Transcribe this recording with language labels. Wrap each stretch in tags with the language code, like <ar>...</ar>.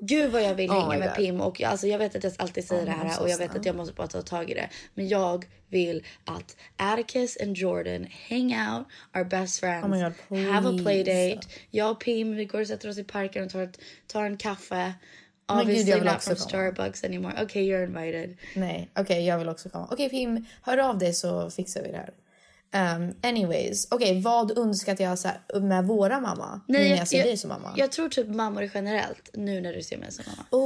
<sv>Gud vad jag vill hänga med Pim. Och alltså, jag vet att jag alltid säger det här och jag vet att jag måste bara ta tag i det. Men jag vill att</sv> <en>Atticus and Jordan hang out, our best friends. Oh my god, please. Have a playdate.</en> <sv>Jag och Pim, vi går och sätter oss i parken och tar en kaffe.</sv> <en>Obviously not from Starbucks anymore. Okay, you're invited.</en> <sv>Nej, okay, jag vill också komma. Okay, Pim, hör av dig så fixar vi det här. Anyways, okej, vad underskattar jag så här, med våra mamma? Nej, när jag ser dig som mamma? Jag tror typ mammor generellt, nu när du ser mig som mamma.</sv>